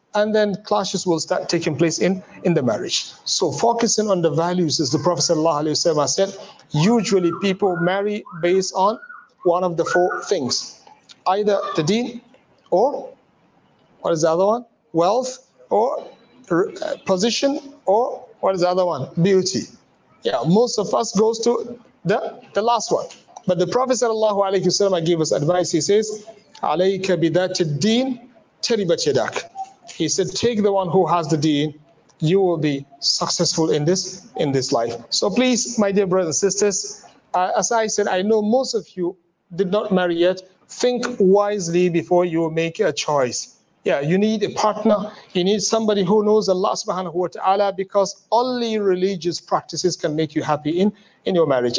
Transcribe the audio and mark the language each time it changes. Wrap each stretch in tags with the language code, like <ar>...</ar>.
<en>And then clashes will start taking place in the marriage. So focusing on the values, as the Prophet ﷺ said, usually people marry based on one of the four things. Either the deen, or what is the other one? Wealth, or position, or what is the other one? Beauty. Yeah, most of us goes to the last one. But the Prophet ﷺ gave us advice. He says,</en> <ar>عَلَيْكَ بِذَاتِ الدِّينِ تَرِبَتْ يَدَكَ.</ar> <en>He said, take the one who has the deen, you will be successful in this life. So please, my dear brothers and sisters, as I said, I know most of you did not marry yet. Think wisely before you make a choice. Yeah, you need a partner. You need somebody who knows Allah subhanahu wa ta'ala, because only religious practices can make you happy in your marriage.</en>